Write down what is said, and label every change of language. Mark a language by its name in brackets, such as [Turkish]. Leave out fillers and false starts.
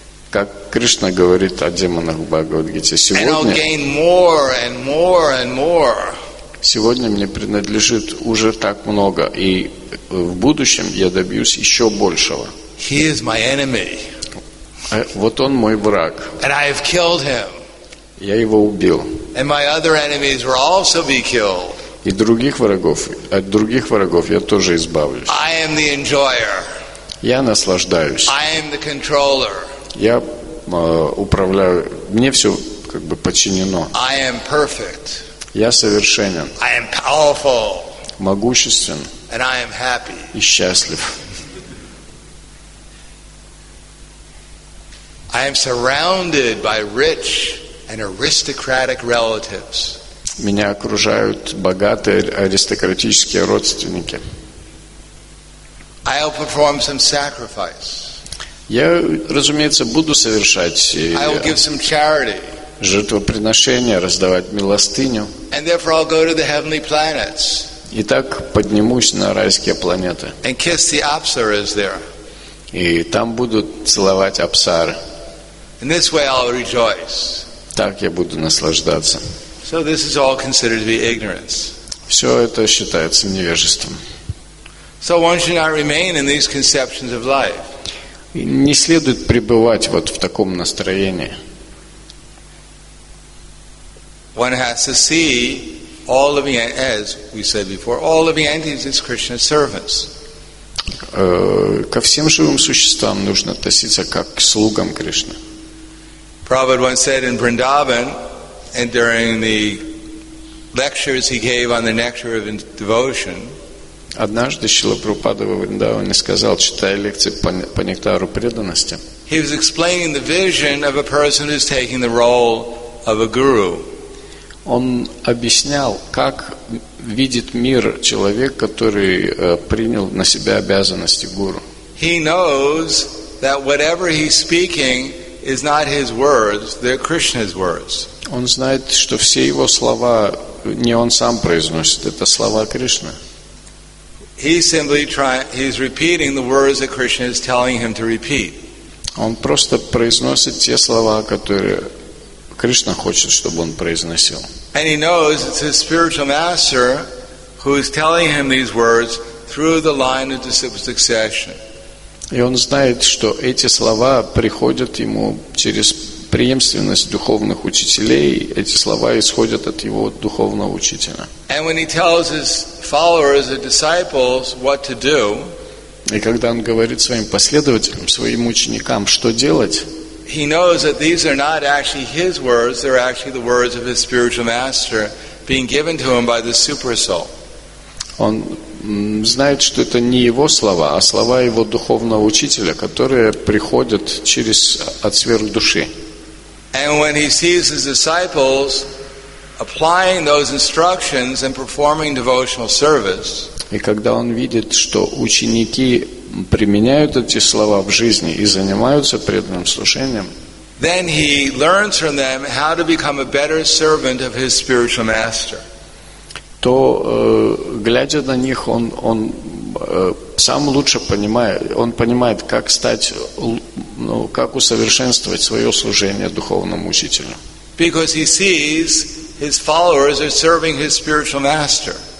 [Russian] Как Кришна говорит о демонах в Бхагавад Гите, сегодня. [English] And I'll gain more and more and more. [Russian] Сегодня мне принадлежит уже так много, и в будущем я добьюсь еще большего. [English] He is my enemy. [Russian] Вот он мой враг. [English] And I have killed him. [Russian] Я его убил. [English] And my other enemies will also be killed. [Russian] И других врагов, от других врагов я тоже избавлюсь. [English] I am the enjoyer. [Russian] Я наслаждаюсь. [English] I am the controller. [Russian] Я управляю. Мне все как бы подчинено. [English] I am perfect. [Russian] Я совершенен. [English] I am powerful. [Russian] Могуществен. [English] And I am happy. [Russian] И счастлив. [English] I am surrounded by rich and aristocratic relatives. [Russian] Меня окружают богатые аристократические родственники. [English] I'll perform some sacrifice. [Russian] Я, разумеется, буду совершать [English] I'll give some charity. [Russian] Жертвоприношения, раздавать милостыню. [English] And therefore I'll go to the heavenly planets. [Russian] И так поднимусь на райские планеты. [English] And kiss the apsaras there. [Russian] И там буду целовать апсары. [English] In this way I'll rejoice. [Russian] Так я буду наслаждаться. [English] So this is all considered to be ignorance. [Russian] Все это считается невежеством. [English] So one should not remain in these conceptions of life. [Russian] Не следует пребывать вот в таком настроении. [English] One has to see all living entities, as we said before, all living entities is Krishna's servants. [Russian] Ко всем живым существам нужно относиться как к слугам Кришны. [English] Prabhupada once said in Vrindavan, and during the lectures he gave on the nectar of devotion. [Russian] Однажды Шрила Прабхупада во Вриндаване сказал, читая лекции по нектару преданности. [English] He was explaining the vision of a person who's taking the role of a guru. [Russian] Он объяснял, как видит мир человек, который принял на себя обязанности гуру. [English] He knows that whatever he's speaking is not his words, they're Krishna's words. [Russian] Он знает, что все его слова не он сам произносит, это слова Кришны. [English] He's repeating the words that Krishna is telling him to repeat. [Russian] Он просто произносит те слова, которые Кришна хочет, чтобы он произносил. [English] And he knows it's his spiritual master who is telling him these words through the line of disciple succession. [Russian] И он знает, что эти слова приходят ему через преемственность духовных учителей, эти слова исходят от его духовного учителя. [English] And when he tells his followers, the disciples, what to do, [Russian] и когда он говорит своим последователям, своим ученикам, что делать, [English] he knows that these are not actually his words, they're actually the words of his spiritual master being given to him by the Supersoul. [Russian] Он знает, что это не его слова, а слова его духовного учителя, которые приходят через от сверхдуши. [English] And when he sees his disciples applying those instructions and performing devotional service, [Russian] и когда он видит, что ученики применяют эти слова в жизни и занимаются преданным служением, [English] then he learns from them how to become a better servant of his spiritual master. [Russian] То, глядя на них, он сам лучше понимает, он понимает, как стать, ну, как усовершенствовать свое служение духовному учителю. [English] Because he sees his followers are serving his spiritual master.